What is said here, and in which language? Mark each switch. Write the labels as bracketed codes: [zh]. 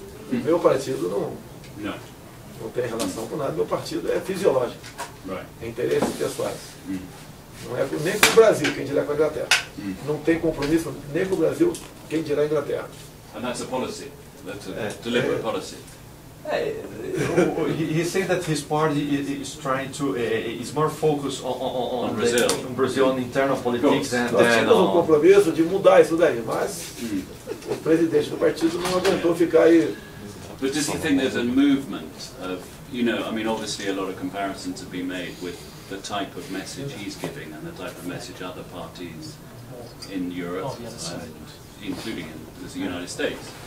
[pt] Meu partido não tem relação com nada, meu partido é fisiológico, é interesses pessoais. Não é nem com o Brasil, quem dirá com a Inglaterra. Não tem compromisso nem com o Brasil, quem dirá a Inglaterra. [en] And that's a policy, that's a deliberate policy. He said that his party is trying to is more focused on Brazil, on internal politics. [pt] Temos um compromisso de mudar isso daí, mas o presidente do partido não aguentou ficar aí. [en] But does he think there's a movement of, obviously a lot of comparisons have been made with the type of message he's giving and the type of message other parties in Europe, including in the United States.